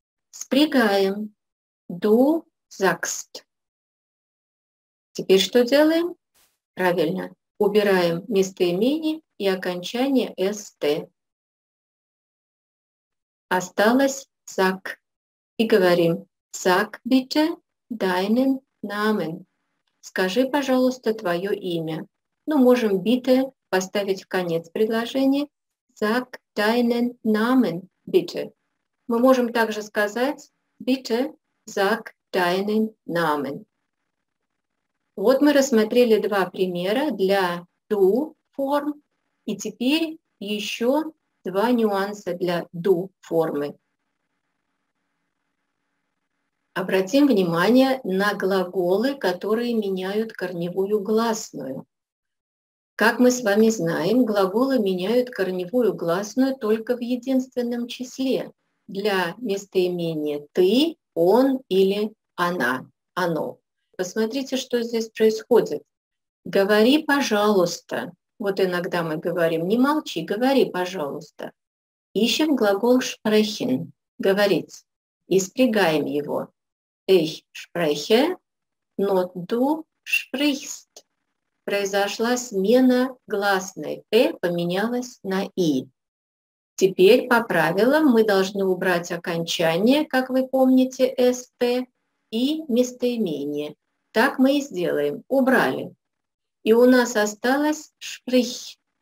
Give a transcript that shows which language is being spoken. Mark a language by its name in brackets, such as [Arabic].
[Russian] Спрягаем. [German] «Du sagst». [Russian] Теперь что делаем? Правильно. Убираем местоимение и окончание «st». Осталось «sag». И говорим [German] «sag bitte deinen Namen». [Russian] Скажи, пожалуйста, твое имя. Ну, можем bitte поставить в конец предложения. [German] Sag deinen Namen, bitte. [Russian] Мы можем также сказать [German] bitte sag deinen Namen. [Russian] Вот мы рассмотрели два примера для du форм. И теперь еще два нюанса для du формы. Обратим внимание на глаголы, которые меняют корневую гласную. Как мы с вами знаем, глаголы меняют корневую гласную только в единственном числе для местоимения «ты», «он» или «она», «оно». Посмотрите, что здесь происходит. «Говори, пожалуйста». Вот иногда мы говорим «не молчи, говори, пожалуйста». Ищем глагол «sprechen» – «говорить» и спрягаем его. [German] Ich spreche, [Russian] но [German] du sprichst. [Russian] Произошла смена гласной. Э поменялась на и. Теперь по правилам мы должны убрать окончание, как вы помните, st, и местоимение. Так мы и сделаем. Убрали. И у нас осталось sprich.